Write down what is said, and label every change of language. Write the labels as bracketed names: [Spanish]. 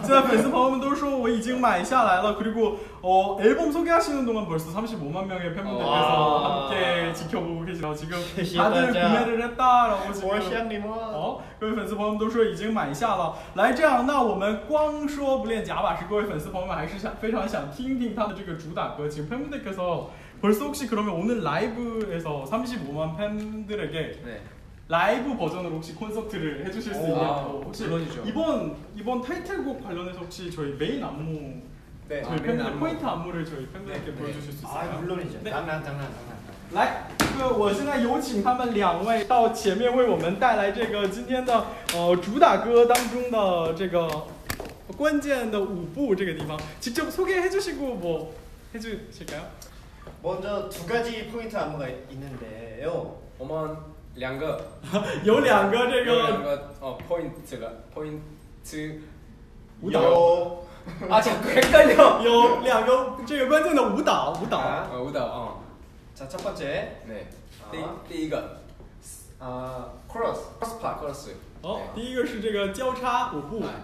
[Chinese] 现在粉丝朋友们都说我已经买下来了 [Korean] 그리고 앨범 소개하시는 동안 벌써 35만명의 팬분들께서 함께 지켜보고 계시죠 지금 다들 구매를 했다라고 지금 [Chinese] 各位粉丝朋友们都说已经买下了来这样那我们光说不练假把式各位粉丝朋友们还是非常想听听他的这个主打歌 [Korean] 지금 팬분들께서 벌써 혹시 그러면 오늘 라이브에서 35만 팬들에게 라이브 버전으로 혹시 콘서트를 해주실 수 있냐고 혹시 이번 타이틀곡 관련해서 혹시 저희 메인 안무 네, 저희 팬들 안무. 포인트 안무를 저희 팬들한테 네, 보여주실 수 있어요? 아 물론이죠 네. 당연 [Chinese] 来 그我现在有请他们两位到前面为我们带来这个今天的主打歌当中的这个关键的舞步这个地方 [Korean] 직접 소개해주시고 뭐 해주실까요? 먼저 두 가지 포인트 안무가 있는데요 어머 [Chinese] 两个有两个, 这个, 有两个, [Korean] 포인트가, 포인트, [Chinese] 舞蹈, [Korean] 아, 자꾸 헷갈려, [Chinese] 有两个, 这个, 关键的, 舞蹈, 舞蹈, 舞蹈, [Korean] 자, 첫 번째, [Chinese] 네, 第一个, [Korean] 크로스, 크로스 파, 크로스, [Chinese] 第一个是, 这个, 交叉, 舞步,